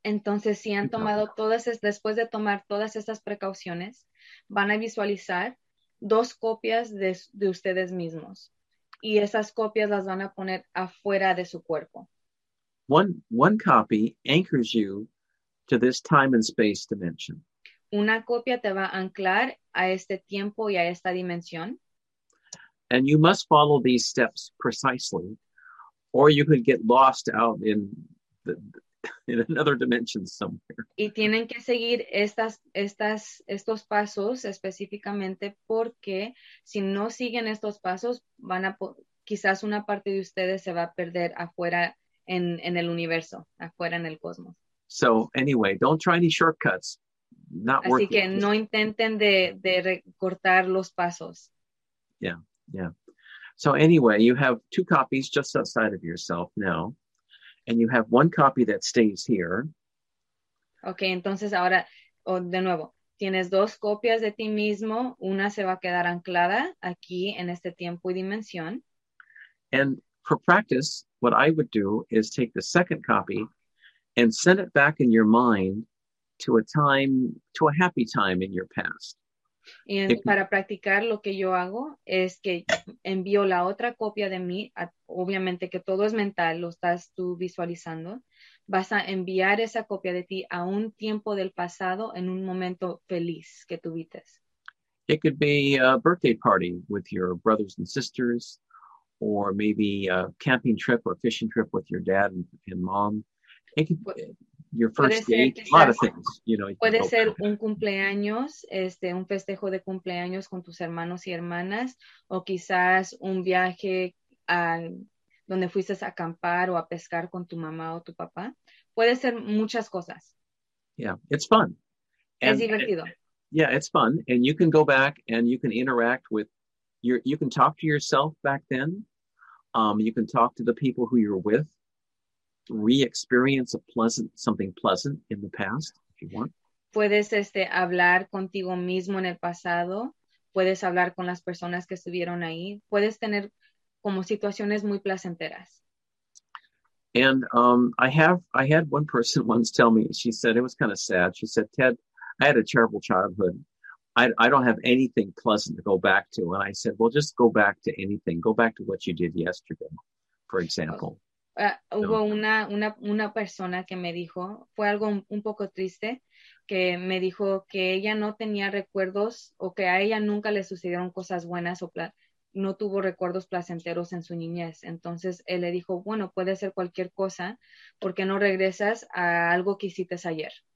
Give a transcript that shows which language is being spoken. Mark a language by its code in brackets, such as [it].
[es] Entonces, si han tomado después de tomar todas estas precauciones, van a visualizar dos copias de ustedes mismos. Y esas copias las van a poner afuera de su cuerpo. [en] One copy anchors you to this time and space dimension. [es] Una copia te va a anclar a este tiempo y a esta dimensión. [en] And you must follow these steps precisely, or you could get lost out in another dimension somewhere. [es] Y tienen que seguir estos pasos específicamente, porque si no siguen estos pasos, quizás una parte de ustedes se va a perder afuera en el universo, afuera en el cosmos. [en] So anyway, don't try any shortcuts. Not [es] así [en] working. [es] Que no intenten de recortar los pasos. [en] Yeah. So anyway, you have two copies just outside of yourself now, and you have one copy that stays here. [es] Okay, entonces ahora, de nuevo, tienes dos copias de ti mismo. Una se va a quedar anclada aquí en este tiempo y dimensión. [en] And for practice, what I would do is take the second copy and send it back in your mind to a happy time in your past. [es] Y para practicar, lo que yo hago es que envío la otra copia de mí, obviamente que todo es mental, lo estás tú visualizando, vas a enviar esa copia de ti a un tiempo del pasado en un momento feliz que tuviste. [en] It could be a birthday party with your brothers and sisters, or maybe a camping trip or a fishing trip with your dad and mom. Your first date, a lot of things, you know. [es] Puede ser un cumpleaños, un festejo de cumpleaños con tus hermanos y hermanas, o quizás un viaje donde fuiste a acampar o a pescar con tu mamá o tu papá. Puede ser muchas cosas. [en] Yeah, it's fun. [es] Es divertido. [en] Yeah, it's fun. And you can go back and you can interact with you can talk to yourself back then. You can talk to the people who you're with. Re-experience something pleasant in the past, if you want. [es] Puedes hablar contigo mismo en el pasado. Puedes hablar con las personas que estuvieron ahí. Puedes tener como situaciones muy placenteras. [en] And I had one person once tell me, she said, it was kind of sad. She said, Ted, I had a terrible childhood. I don't have anything pleasant to go back to. And I said, well, just go back to anything. Go back to what you did yesterday, for example. [es] Hubo una persona que me dijo, fue algo un poco triste, que me dijo que ella no tenía recuerdos o que a ella nunca le sucedieron cosas buenas o no tuvo recuerdos placenteros en su niñez. Entonces él le dijo, bueno, puede ser cualquier cosa, ¿por qué no regresas a algo que hiciste ayer?